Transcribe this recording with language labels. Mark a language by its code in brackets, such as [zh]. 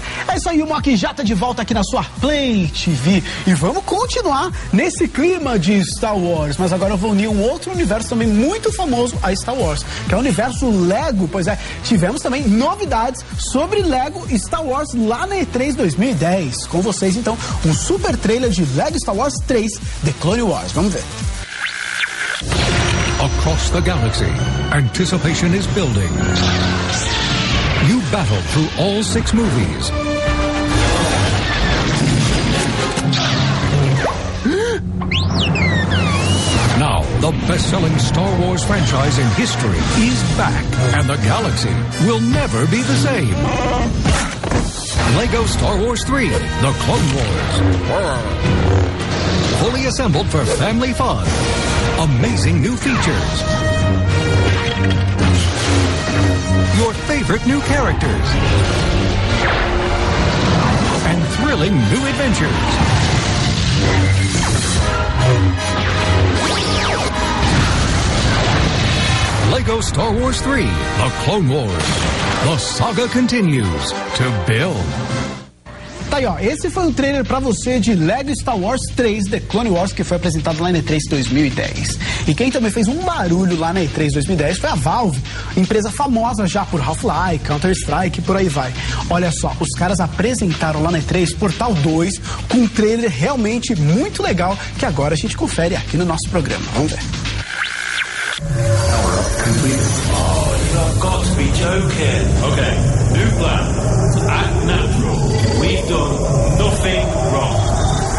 [pt] É isso aí, o Mock já tá de volta aqui na sua Play TV, e vamos continuar nesse clima de Star Wars, mas agora eu vou unir um outro universo também muito famoso a Star Wars, que é o universo Lego, pois é, tivemos também novidades sobre Lego Star Wars lá na E3 2010. Com vocês, então, um super trailer de Lego Star Wars 3, The Clone Wars. Vamos ver. [en] Across the galaxy, anticipation is building. You battle through all six movies. Now, the best-selling Star Wars franchise in history is back, and the galaxy will never be the same. Lego Star Wars 3, The Clone Wars. Fully assembled for family fun. Amazing new features. Your favorite new characters. And thrilling new adventures. Lego Star Wars 3, The Clone Wars. The saga continues to build. [pt] Tá aí, ó, esse foi o trailer pra você de Lego Star Wars 3, The Clone Wars, que foi apresentado lá na E3 2010. E quem também fez um barulho lá na E3 2010 foi a Valve, empresa famosa já por Half-Life, Counter-Strike e por aí vai. Olha só, os caras apresentaram lá na E3 Portal 2 com um trailer realmente muito legal, que agora a gente confere aqui no nosso programa. Vamos ver. [en] Okay, new plan. To act natural. We've done nothing wrong.